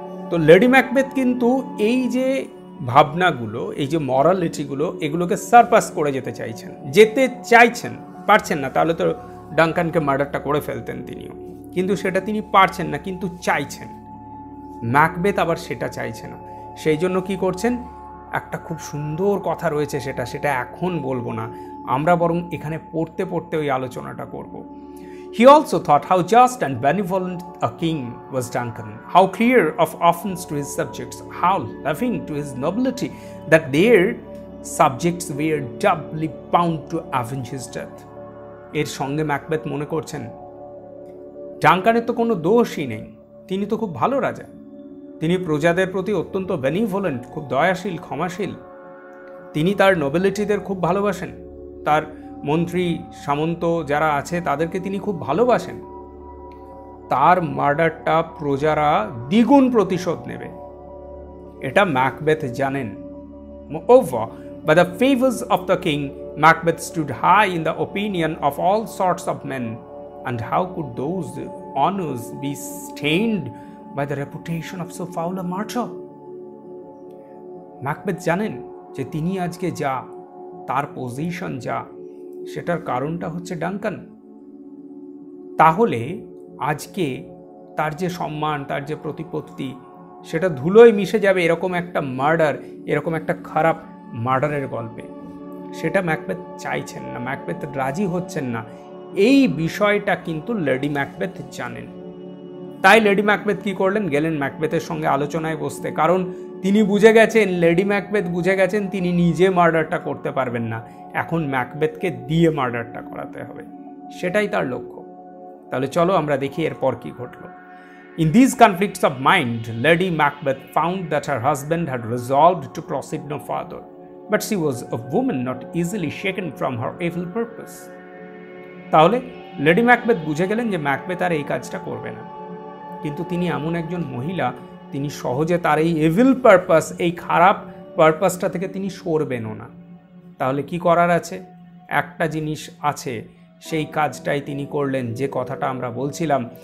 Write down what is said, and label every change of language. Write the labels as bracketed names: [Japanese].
[Bangla] তো lady Macbeth কিন্তু এই যে ভাবনাগুলো, এই যে মরালিটিগুলো, এগুলোকে সারপাস করে যেতে চাইছেন, যেতে চাইছেন, পারছেন না, তাহলে তো ডাঙ্কানকে মার্ডারটা করে ফেলতেন তিনিও, কিন্তু সেটা তিনি পারছেন না, কিন্তু চাইছেন। ম্যাকবেথ আবার সেটা চাইছে না, সেই জন্য কী করছেন, একটা খুব সুন্দর কথা রয়েছে, সেটা এখন বলবো না, আমরা বরং এখানে পড়তে পড়তে ওই আলোচনাটা করব। [English] He also thought how just and benevolent a king was Duncan, how clear of offense to his subjects, how loving to his nobility, that their subjects were doubly bound to avenge his death. [Bangla] এর সঙ্গে Macbeth মনে করছেন, ডাঙ্কানের তো কোনো দোষই নেই, তিনি তো খুব ভালো রাজা, তিনি প্রজাদের প্রতি অত্যন্ত বেনিভলেন্ট, খুব দয়াশীল, ক্ষমাশীল, তিনি তার নোবিলিটিদের খুব ভালোবাসেন, তার মন্ত্রী সামন্ত যারা আছে তাদেরকে তিনি খুব ভালোবাসেন, তার মার্ডারটা প্রজারা দ্বিগুণ প্রতিশোধ নেবে, এটা ম্যাকবেথ জানেন। [English] Moreover, by the favors of the king, Macbeth stood high in the opinion of all sorts of men, and how could those honors be stained by the reputation of so foul a martyr? [Bangla] Macbeth janen je tini ajke ja tar position ja shetar karon ta hocche Duncan. Tahole ajke tar je somman, tar je protipotti, সেটা ধুলোয় মিশে যাবে এরকম একটা murder, এরকম একটা খারাপ মার্ডারের গল্পে। সেটা ম্যাকবেথ চাইছেন না, ম্যাকবেথ রাজি হচ্ছেন না, এই বিষয়টা কিন্তু লেডি ম্যাকবেথ জানেন। তাই লেডি ম্যাকবেথ কী করলেন, গেলেন ম্যাকবেথের সঙ্গে আলোচনায় বসতে, কারণ তিনি বুঝে গেছেন, লেডি ম্যাকবেথ বুঝে গেছেন তিনি নিজে মার্ডারটা করতে পারবেন না, এখন ম্যাকবেথকে দিয়ে মার্ডারটা করাতে হবে, সেটাই তার লক্ষ্য। তাহলে চলো আমরা দেখি এরপর কী ঘটলো। [English] In these conflicts of mind, Lady Macbeth found that her husband had resolved to proceed no further, but she was a woman not easily shaken from her evil purpose. [Bangla] তাহলে লেডি ম্যাকবেথ বুঝে গেলেন যে Macbeth আর এই কাজটা করবে না, কিন্তু তিনি এমন একজন মহিলা, তিনি সহজে তার এই এভিল পারপাস, এই খারাপ পারপাসটা থেকে তিনি সরবেনও না। তাহলে কি করার আছে, একটা জিনিস আছে সেই কাজটাই তিনি করলেন যে কথাটা আমরা বলছিলাম।